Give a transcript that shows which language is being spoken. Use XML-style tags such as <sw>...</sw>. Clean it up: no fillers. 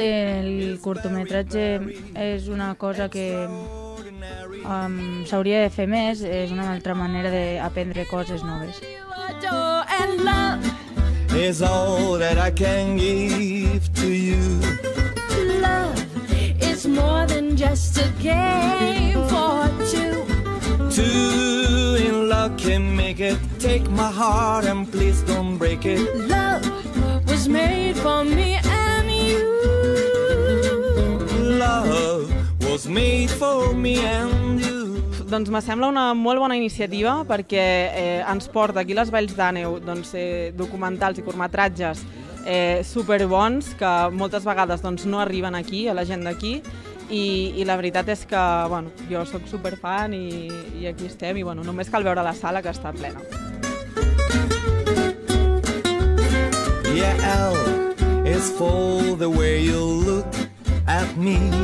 <ca>El curtmetratge és una cosa que s'hauria de fer més. És una altra manera d'aprendre coses noves.</ca> <en>Love is all that I can give to you. Love is more than just a game for two. Two in love can make it. Take my heart and please don't break it. Love was made for me and you. Love was made for me and you.</en> <ca>Doncs me sembla una molt bona iniciativa perquè ens porta aquí les Valls d'Àneu, doncs, documentals i curtmetratges superbons que moltes vegades, doncs, no arriben aquí, a la gent d'aquí, i la veritat és que, bueno, jo soc superfan i aquí estem i, bueno, només cal veure la sala que està plena.</ca> <en>Yeah, L is for the way you look at me.</en>